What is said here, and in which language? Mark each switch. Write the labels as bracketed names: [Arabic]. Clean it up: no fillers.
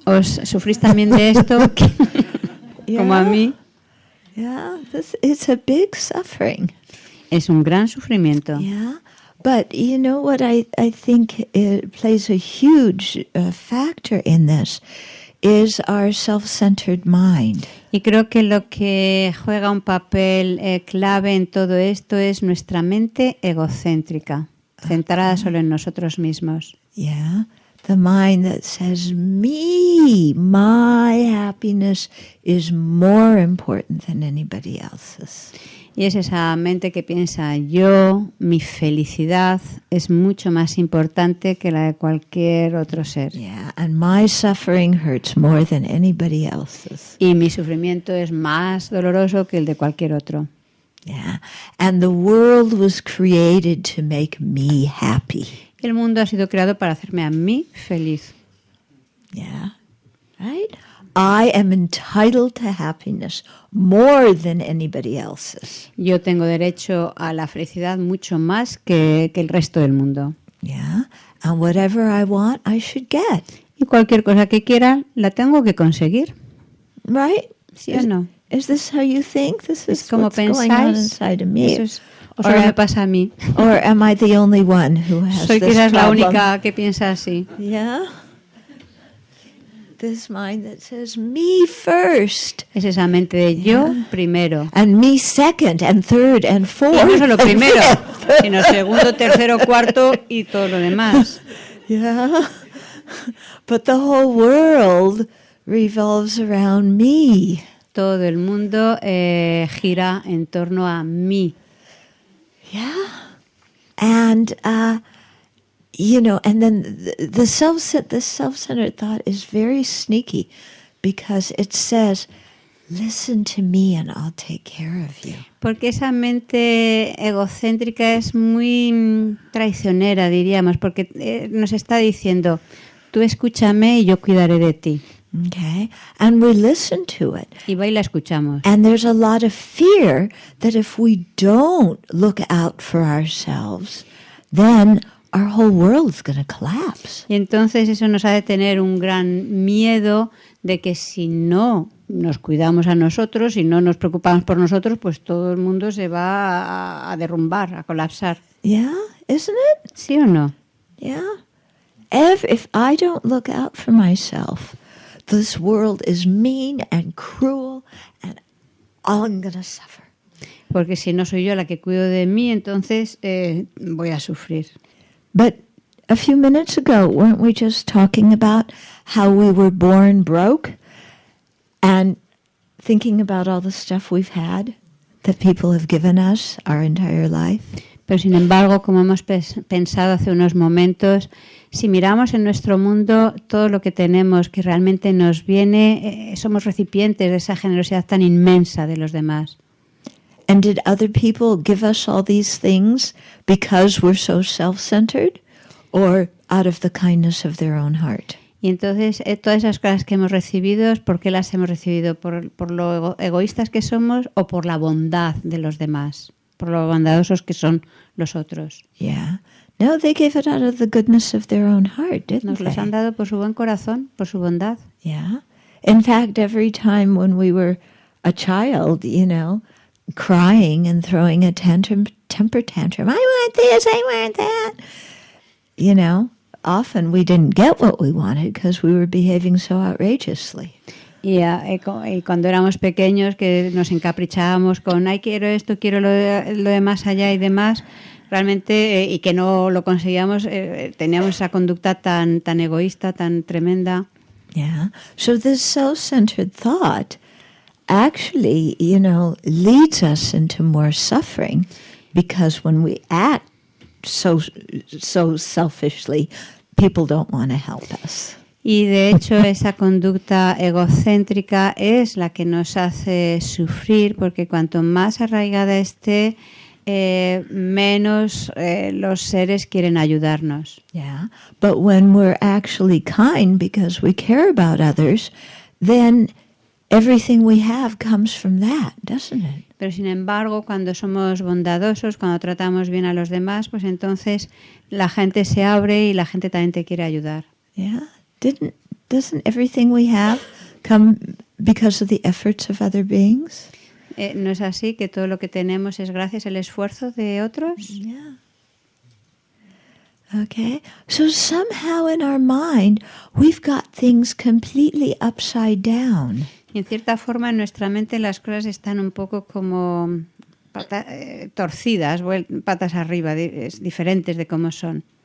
[Spanish] ¿Os sufrís también de esto? Como a mí. [English] Yeah, this, it's a big suffering. [Spanish] Es un gran sufrimiento. [English] Yeah. But you know what I think it plays a huge factor in this is our self-centered mind. [Spanish] Y creo que lo que juega un papel clave en todo esto es nuestra mente egocéntrica, centrada solo en nosotros mismos. [English] Yeah. The mind that says me, my happiness is more important than anybody else's. [Spanish] Y es esa mente que piensa yo, mi felicidad es mucho más importante que la de cualquier otro ser. [English] Yeah, and my suffering hurts more than anybody else's. [Spanish] Y mi sufrimiento es más doloroso que el de cualquier otro. [English] Yeah, and the world was created to make me happy. [Spanish] Y el mundo ha sido creado para hacerme a mí feliz. [English] Yeah, right. I am entitled to happiness more than anybody else's. [Spanish] Yo tengo derecho a la felicidad mucho más que el resto del mundo. [English] Yeah. And whatever I want, I should get. [Spanish] Y cualquier cosa que quiera, la tengo que conseguir. [English] Right? [Spanish] ¿Sí o no? [English] Is this how you think? This is [Spanish] como [English] what's [Spanish] pensáis? [English] Going on inside of me. Or [Spanish] me pasa a mí. [English] Or am I the only one who has [Spanish] Soy [English] this problem? [Spanish] Soy quizás la única que piensa así. [English] Yeah. This mind that says me first. [Spanish] Es esa mente de yo primero. [English] And me second and third and fourth. [Spanish] Y no solo primero, sino segundo, tercero, cuarto y todo lo demás. [English] Yeah. But the whole world revolves around me. [Spanish] Todo el mundo gira en torno a mí. [English] Yeah. And then the self-centered thought is very sneaky because it says listen to me and I'll take care of you. [Spanish] Porque esa mente egocéntrica es muy traicionera, diríamos, porque nos está diciendo tú escúchame y yo cuidaré de ti. [English] Okay. And we listen to it. [Spanish] Y va y la escuchamos. [English] And there's a lot of fear that if we don't look out for ourselves, then our whole world's going to collapse. [Spanish] Y entonces eso nos ha de tener un gran miedo de que si no nos cuidamos a nosotros y si no nos preocupamos por nosotros, pues todo el mundo se va a derrumbar, a colapsar. [English] Yeah, isn't it? [Spanish] ¿Sí o no? [English] Yeah. If I don't look out for myself, this world is mean and cruel and I'm going to suffer. [Spanish] Porque si no soy yo la que cuido de mí, entonces voy a sufrir. [English] But a few minutes ago, weren't we just talking about how we were born broke and thinking about all the stuff we've had that people have given us our entire life? [Spanish] Pero sin embargo, como hemos pensado hace unos momentos, si miramos en nuestro mundo todo lo que tenemos que realmente nos viene, somos recipientes de esa generosidad tan inmensa de los demás. [English] And did other people give us all these things because we're so self-centered or out of the kindness of their own heart? [Spanish] Y entonces, todas esas cosas que hemos recibido, ¿por qué las hemos recibido? ¿Por lo egoístas que somos o por la bondad de los demás? Por lo bondadosos que son los otros. [English] Yeah. No, they gave it out of the goodness of their own heart, didn't they? [Spanish] Nos los han dado por su buen corazón, por su bondad. [English] Yeah. In fact, every time when we were a child, you know, crying and throwing a temper tantrum. I want this, I want that. You know, often we didn't get what we wanted because we were behaving so outrageously. [Spanish] Y cuando éramos pequeños que nos encaprichábamos con ay, quiero esto, quiero lo de más allá y demás, realmente, y que no lo conseguíamos, teníamos esa conducta tan, tan egoísta, tan tremenda. [English] Yeah. So this self-centered thought actually, you know, leads us into more suffering, because when we act so selfishly, people don't want to help us. [Spanish] Y de hecho esa conducta egocéntrica es la que nos hace sufrir, porque cuanto más arraigada esté, menos los seres quieren ayudarnos. [English] Yeah. But when we're actually kind because we care about others, then everything we have comes from that, doesn't it? [Spanish] Pero sin embargo, cuando somos bondadosos, cuando tratamos bien a los demás, pues entonces la gente se abre y la gente también te quiere ayudar. [English] Yeah. Doesn't everything we have come because of the efforts of other beings? [Spanish] ¿No es así que todo lo que tenemos es gracias al esfuerzo de otros? [English] Yeah. Okay. So somehow in our mind we've got things completely upside down. [Spanish] Y en cierta forma en nuestra mente las cosas están un poco como torcidas, patas arriba, diferentes de cómo son.